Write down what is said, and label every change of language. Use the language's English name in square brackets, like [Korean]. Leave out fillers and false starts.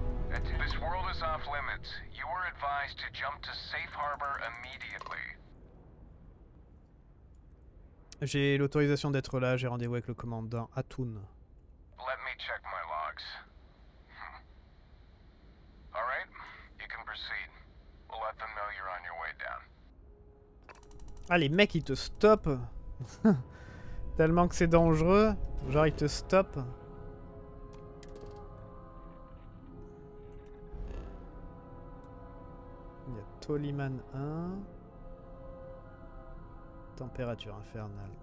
[English] This world is off limits. You are advised to jump to safe harbor immediately. [French] J'ai l'autorisation d'être là, j'ai rendez-vous avec le commandant Atun. [English] Let me check my logs. All right, you can proceed. We'll let them know you're on your way down. [French] Ah, les mecs, ils te stoppent. Tellement que c'est dangereux, genre ils te stoppent. Toliman 1, température infernale.